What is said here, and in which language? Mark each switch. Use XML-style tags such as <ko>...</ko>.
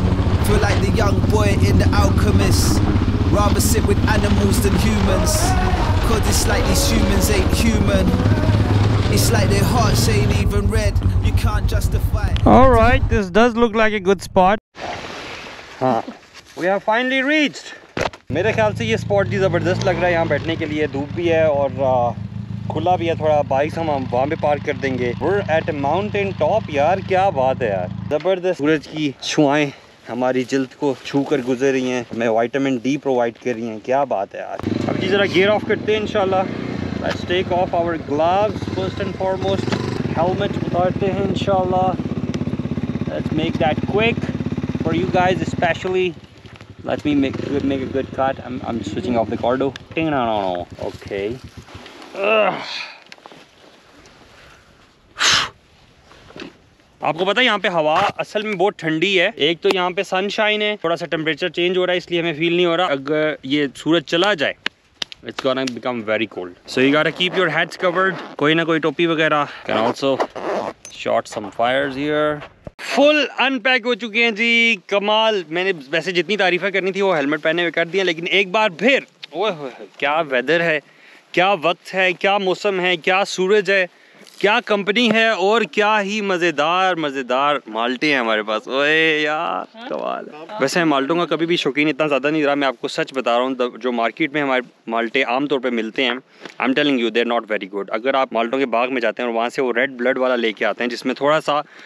<en>Feel like the young boy in The Alchemist. Rather sit with animals than humans. because it's like these humans ain't human. It's like their hearts ain't even red. You can't justify it. All right, this does look like a good spot. We have finally reached.</en> <hi>मेरे ख्याल से ये spot भी ज़बरदस्त लग रहा है यहाँ बैठने के लिए धूप भी है और खुला भी है थोड़ा बाइक हम वहाँ पे पार्क कर देंगे</hi> <en>We're at a mountain top</en> <hi>यार क्या बात है यार ज़बरदस्त सूरज की छुआएं हमारी जिल्द को छू कर गुजर रही हैं हमें विटामिन डी प्रोवाइड कर रही हैं क्या बात है यार अब जी ज़रा गियर ऑफ करते हैं इंशाल्लाह</hi> <en>let's take off our gloves first and foremost</en> <hi>helmet उतारते हैं इंशाल्लाह</hi> <en>Let's make that quick for you guys specially Let me make a good cut. I'm switching off the cardo. Okay.</en> <hi>आपको पता है यहाँ पे हवा असल में बहुत ठंडी है एक तो यहाँ पे सनशाइन है थोड़ा सा टेम्परेचर चेंज हो रहा है इसलिए हमें फील नहीं हो रहा अगर ये सूरज चला जाए</hi> <en>it's gonna become very cold. So you gotta keep your heads covered.</en> <hi>कोई ना कोई टोपी वगैरह</hi> <en>Can also shot some fires here.</en> <hi>Full unpack हो चुके हैं जी कमाल मैंने वैसे जितनी तारीफ़ें करनी थी वो हेलमेट पहने हुए कर दिया लेकिन एक बार फिर ओह क्या वेदर है क्या वक्त है क्या मौसम है क्या सूरज है क्या कंपनी है और क्या ही मज़ेदार मज़ेदार माल्टे हैं हमारे पास ओए यार कमाल वैसे माल्टों का कभी भी शौकीन इतना ज़्यादा नहीं रहा मैं आपको सच बता रहा हूँ जो मार्केट में हमारे माल्टे आमतौर पर मिलते हैं</hi> <en>I am telling you there not very good</en> <hi>अगर आप माल्टों के बाग में जाते हैं और वहाँ से वो रेड ब्लड वाला लेके आते हैं जिसमें थोड़ा सा</hi>